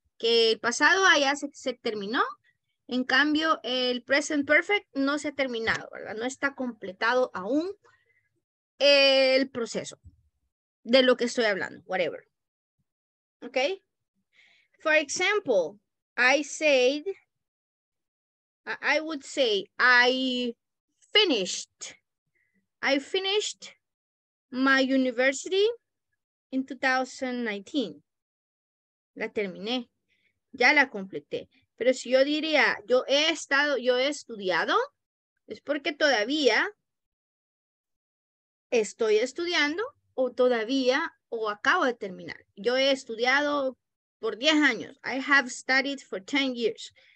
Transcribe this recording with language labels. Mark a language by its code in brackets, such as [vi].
[es] Que el pasado allá se terminó, en cambio el present perfect no se ha terminado, ¿verdad? No está completado aún el proceso de lo que estoy hablando, whatever. [en] Okay? For example, I would say I finished my university in 2019. [es] La terminé. Ya la completé. Pero si yo diría, yo he estudiado, es porque todavía estoy estudiando o acabo de terminar. Yo he estudiado por 10 años. [en] I have studied for 10 years.